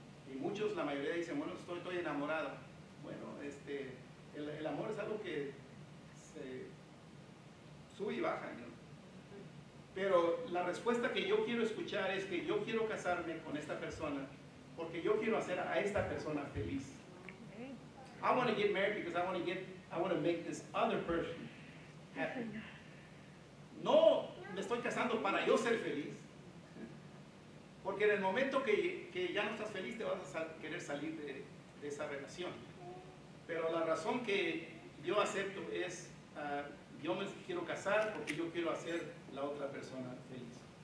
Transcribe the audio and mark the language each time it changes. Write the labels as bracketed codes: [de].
[es] Y muchos, la mayoría, dicen, bueno, estoy enamorado. Bueno, el amor es algo que se sube y baja, ¿no? Pero la respuesta que yo quiero escuchar es que yo quiero casarme con esta persona porque yo quiero hacer a esta persona feliz. [en] I want to get married because I want to make this other person happy. [es] No me estoy casando para yo ser feliz, porque en el momento que ya no estás feliz, te vas a querer salir de esa relación. Pero la razón que yo acepto es, yo me quiero casar porque yo quiero hacer la otra persona feliz.